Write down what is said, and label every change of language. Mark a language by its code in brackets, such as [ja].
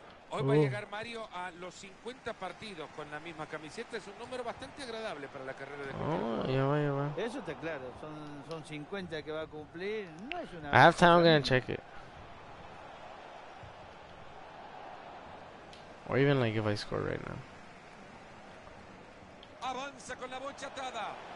[es] Hoy va a llegar Mario a los 50 partidos con la misma camiseta. Es un número bastante agradable para la carrera de Mario. Oh, ya va, ya va. Eso está claro. Son 50 que va a cumplir. No es una. [en] I have time, I'm gonna check it. Or even like if I score right now. [es] Avanza con la bocha atada.